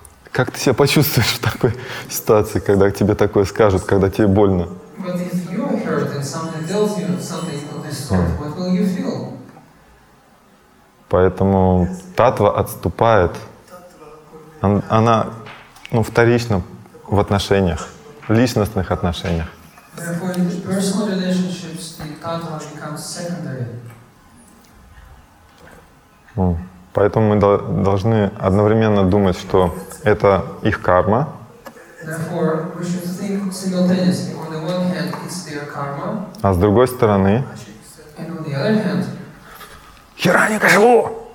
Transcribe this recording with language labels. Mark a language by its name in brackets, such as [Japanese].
[Russian] Как ты себя почувствуешь в такой ситуации, когда тебе такое скажут, когда тебе больно? [English] But if you are hurt and someone tells you something of this sort, what will you feel? [Russian] Поэтому татва отступает. Она вторична в отношениях, в личностных отношениях. [English] Therefore, in personal relationships, the татва becomes secondary. [Russian] Поэтому мы должны одновременно думать, что это их карма. [English] Therefore, we should think simultaneously. On the one hand, it's their karma. [Russian] А с другой стороны... [English] And on the other hand... Хераника живу!